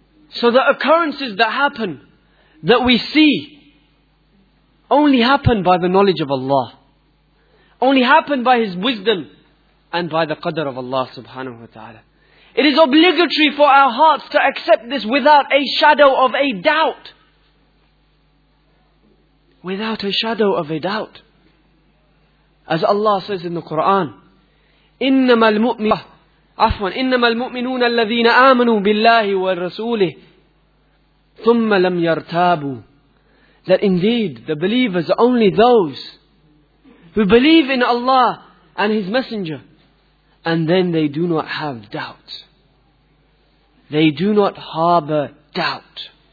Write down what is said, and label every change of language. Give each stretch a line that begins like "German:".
English: So the occurrences that happen, that we see, only happen by the knowledge of Allah. Only happen by His wisdom and by the qadr of Allah subhanahu wa ta'ala. It is obligatory for our hearts to accept this without a shadow of a doubt. Without a shadow of a doubt. As Allah says in the Quran,
Arabic: إِنَّمَا الْمُؤْمِنُونَ عَفْوًا إِنَّمَا الْمُؤْمِنُونَ الَّذِينَ آمَنُوا بِاللَّهِ وَالرَّسُولِهِ ثُمَّ لَمْ يَرْتَابُوا.
English: That indeed, the believers are only those who believe in Allah and His Messenger, and then they do not have doubt. They do not harbor doubt.